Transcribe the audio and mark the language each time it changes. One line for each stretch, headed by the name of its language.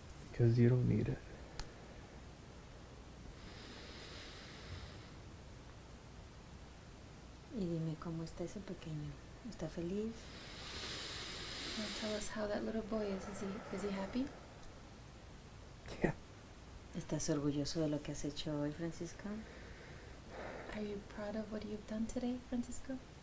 English: Because you don't need it.
Spanish: Y dime cómo está ese pequeño. ¿Está feliz?
English: Now tell us how that little boy is. Is he happy? Yeah.
Spanish: ¿Estás orgulloso de lo que has hecho hoy, Francisco?
English: Are you proud of what you've done today, Francisco?